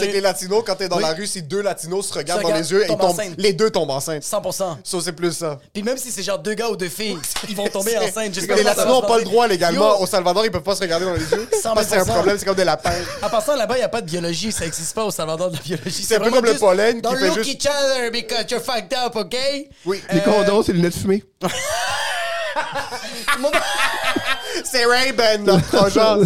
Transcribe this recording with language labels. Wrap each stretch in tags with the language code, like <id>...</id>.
<fr>C'est que les latinos, quand t'es dans la rue, si deux latinos se regardent dans les yeux, les deux tombent enceintes. 100%. Ça, c'est plus ça. Puis même si c'est genre deux gars ou deux filles, ils vont tomber enceintes. Jusqu'à les latinos n'ont pas le droit légalement. Au Salvador, ils peuvent pas se regarder dans les yeux. 100%. C'est un problème, c'est comme des lapins. En passant, là-bas, il n'y a pas de biologie. Ça n'existe pas au Salvador de la biologie. C'est un peu comme le pollen.</fr> <en>Don't look each other because you're fucked up, OK?</en> <fr>Oui. Les condoms, c'est lunettes fumées. C'est Ray-Ban, notre projet.</fr>